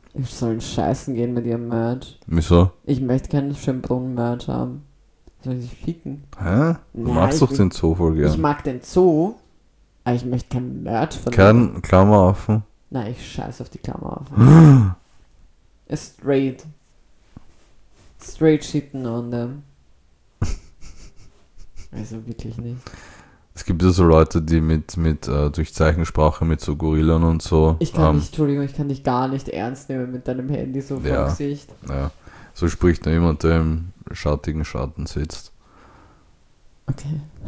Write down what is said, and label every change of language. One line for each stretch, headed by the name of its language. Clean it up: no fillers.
German: Ich soll scheißen gehen mit ihrem Merch. Wieso? Ich möchte keinen Schönbrunnen-Merch haben. Soll ich ficken? Hä? Du magst doch den Zoo voll gern. Ich mag den Zoo, aber ich möchte keinen Merch von keinen Klammeraffen? Nein, ich scheiße auf die Klammeraffen.
English: Straight. Straight shitten on them.
German: Also wirklich nicht. Es gibt ja so Leute, die mit durch Zeichensprache mit so Gorillen und so. Ich kann Entschuldigung, ich kann dich gar nicht ernst nehmen mit deinem Handy so vom Gesicht. Ja. So spricht nur jemand, der im schattigen Schatten sitzt. Okay.